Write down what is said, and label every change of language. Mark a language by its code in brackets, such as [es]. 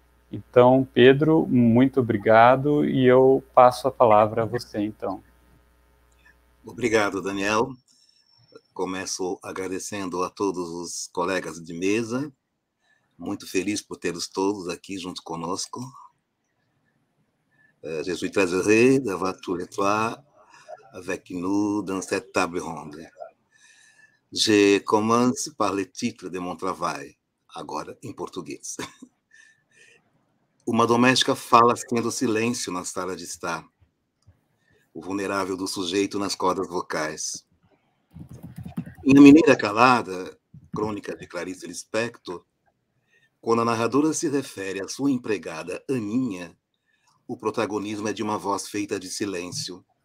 [pt] Então, Pedro, muito obrigado e eu passo a palavra a você, então. Obrigado, Daniel. Começo agradecendo a todos os colegas de mesa. Muito feliz por tê-los todos aqui junto conosco. [fr] Je suis très heureux d'avoir tous les trois avec nous dans cette table ronde. Je commence par le titre de mon travail, [pt] agora em português. Uma doméstica fala fazendo silêncio na sala de estar. O vulnerável do sujeito nas cordas vocais. Em A Mineira Calada, crônica de Clarice Lispector, quando a narradora se refere à sua empregada Aninha, o protagonismo é de uma voz feita de silêncio.